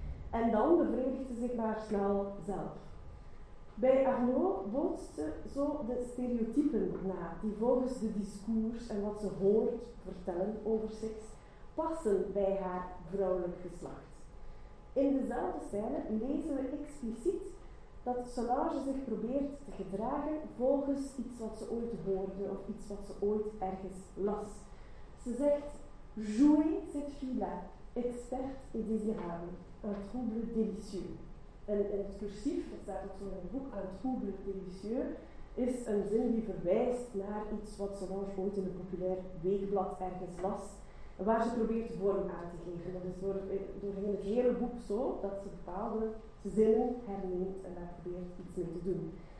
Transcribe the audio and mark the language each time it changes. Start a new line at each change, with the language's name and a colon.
Dutch: En dan bevredigt ze zich maar snel zelf. Bij Arnaud bootst ze zo de stereotypen na, die volgens de discours en wat ze hoort vertellen over seks, passen bij haar vrouwelijk geslacht. In dezelfde scène lezen we expliciet dat Solange zich probeert te gedragen volgens iets wat ze ooit hoorde of iets wat ze ooit ergens las. Ze zegt:
French: jouez cette fille-là, experte et désirable, un trouble délicieux.
Dutch: En in het cursief, dat staat ook zo in het boek,
French: un trouble délicieux,
Dutch: is een zin die verwijst naar iets wat Solange ooit in een populair weekblad ergens las, waar ze probeert vorm aan te geven. Dat is doorheen het hele boek zo, dat ze bepaalde zinnen herneemt en daar probeert iets mee te doen.